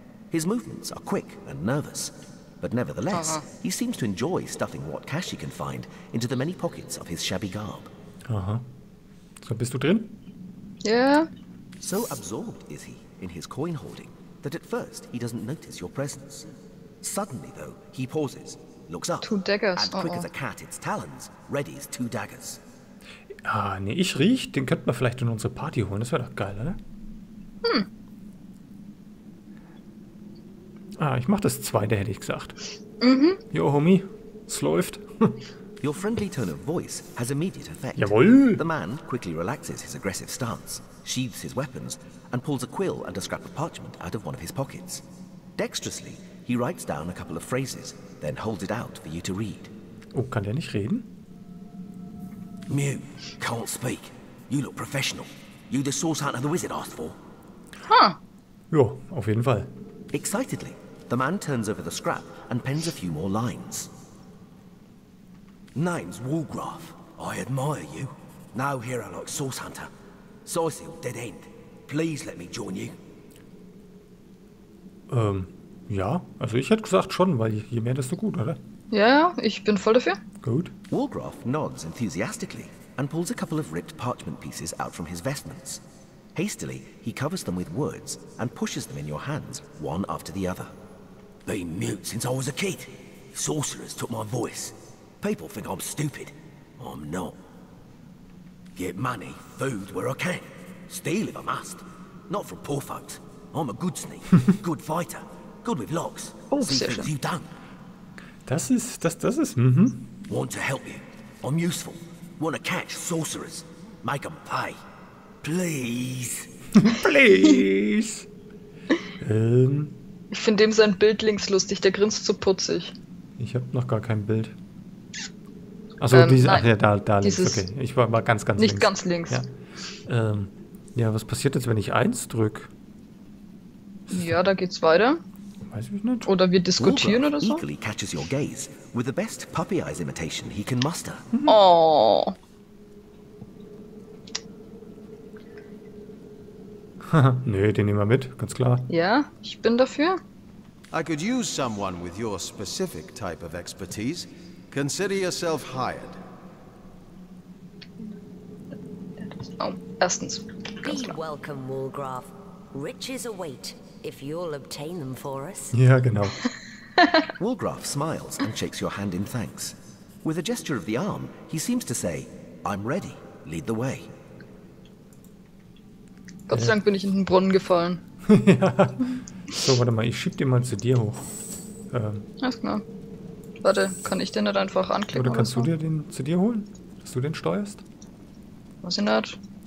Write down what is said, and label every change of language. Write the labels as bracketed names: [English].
[English] His movements are quick and nervous, but nevertheless, he seems to enjoy stuffing what cash he can find into the many pockets of his shabby garb. [German] Aha. So, bist du drin? [English] Yeah. So absorbed is he in his coin hoarding that at first he doesn't notice your presence. Suddenly, though, he pauses, looks up, and quick as a cat its talons, readies two daggers. [German] Ah, nee, ich riech, den könnten wir vielleicht in unsere Party holen, das wäre doch geil, oder? Hm. Ah, ich mach das zweite, hätte ich gesagt. Mhm. Yo, Homie, es läuft. [English] Your friendly tone of voice has immediate effect. [German] Jawohl! [English] The man quickly relaxes his aggressive stance, sheathes his weapons, and pulls a quill and a scrap of parchment out of one of his pockets. Dexterously, he writes down a couple of phrases, then holds it out for you to read. [German] Oh, kann der nicht reden? [English] Mew, can't speak. You look professional. You the source hunter the wizard asked for. Huh. [German] Ja, auf jeden Fall. [English] Excitedly, the man turns over the scrap and pens a few more lines. Name's Woolgraf. I admire you. No hero like source hunter. Sicil, dead end. Please let me join you. [German] Ja, also ich hätte gesagt schon, weil je mehr, desto gut, oder? Ja, ich bin voll dafür. Gut. [English] Woolgraf nods enthusiastically and pulls a couple of ripped parchment pieces out from his vestments. Hastily, he covers them with words and pushes them in your hands, one after the other. Been mute since I was a kid. Sorcerers took my voice. People think I'm stupid. I'm not. Get money, food, where I can. Steal if I must. Not from poor folks. I'm a good sneak, good fighter, good with locks. Oh, see things you don't. [German] Das ist. [English] Want to help you. I'm useful. Want to catch sorcerers. Make them pay. Please. Please. [German] Ich finde dem sein Bild links lustig. Der grinst so putzig. Ich habe noch gar kein Bild. Achso, da links. Okay, ich war mal ganz, ganz nicht links. Nicht ganz links. Ja. Ja, was passiert jetzt, wenn ich 1 drück? Ja, da geht's weiter. Weiß ich nicht. Oder wir diskutieren Wolfram oder so. [English] Eagerly catches your gaze with the best puppy eyes imitation he can muster. Oh. [German] Nee, den nehmen wir mit, ganz klar. Ja, ich bin dafür. [English] I could use someone with your specific type of expertise. Consider yourself hired. [German] Oh, erstens. Ganz klar. [English] Be welcome, [German] Wolgraf. [English] Riches await, if you'll obtain them for us. [German] Ja, genau. [English] Wolgraf smiles and shakes your hand in thanks. With a gesture of the arm, he seems to say, I'm ready, lead the way. [German] Gott sei Dank bin ich in den Brunnen gefallen. Ja. So, warte mal, ich schieb den mal zu dir hoch. Alles klar. Warte, kann ich den nicht einfach anklicken? Oder kannst du dir den zu dir holen? Dass du den steuerst? Was in der Art?